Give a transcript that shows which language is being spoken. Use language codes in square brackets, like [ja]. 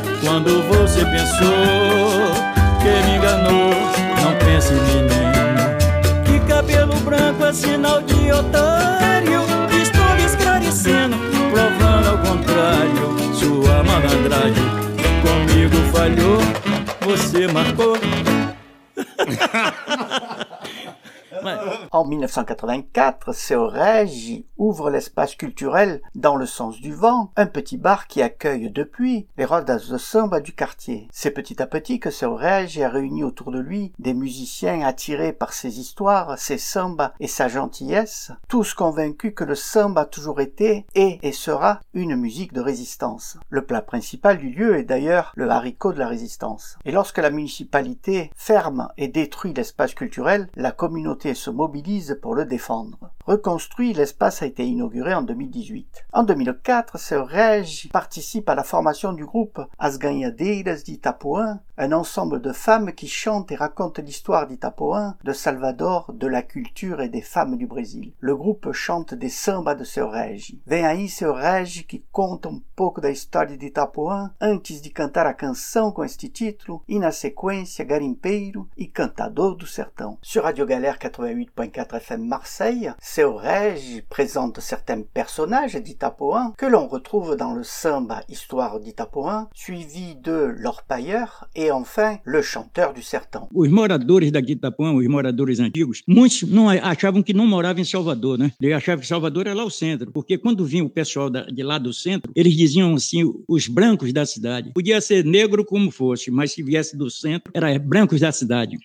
[pt] Quando você pensou que me enganou, não pense, menino, que cabelo branco é sinal de otário. Estou lhe esclarecendo, provando ao contrário. Sua malandragem comigo falhou, você marcou. [fr] En 1984, Seu Régi ouvre l'espace culturel Dans le sens du vent, un petit bar qui accueille depuis les rodas de samba du quartier. C'est petit à petit que Seu Régi a réuni autour de lui des musiciens attirés par ses histoires, ses sambas et sa gentillesse, tous convaincus que le samba a toujours été et sera une musique de résistance. Le plat principal du lieu est d'ailleurs le haricot de la résistance. Et lorsque la municipalité ferme et détruit l'espace culturel, la communauté se mobilise pour le défendre. Reconstruit, l'espace a été inauguré en 2018. En 2004, Seu Régi participe à la formation du groupe As Ganhadeiras de Itapoã, un ensemble de femmes qui chantent et racontent l'histoire d'Itapoã, de Salvador, de la culture et des femmes du Brésil. Le groupe chante des sambas de Seu Régi. [pt] Vem aí Seu Régi que conta pouco da história de Itapoã antes de cantar a canção com este título e na sequência Garimpeiro e Cantador do Sertão. [fr] Sur Radio Galère 88.4 FM Marseille, Seu Régi présente certains personnages d'Itapoã que l'on retrouve dans le samba Histoire d'Itapoã, suivi de L'Orpailleur et enfin Le Chanteur du Sertão. [pt] Os moradores da Itapoã, os moradores antigos, muitos não achavam que não moravam em Salvador, né? Eles achavam que Salvador era lá o centro, porque quando vinha o pessoal de lá do centro, eles diziam assim, os brancos da cidade. Podia ser negro como fosse, mas se viesse do centro, era brancos da cidade.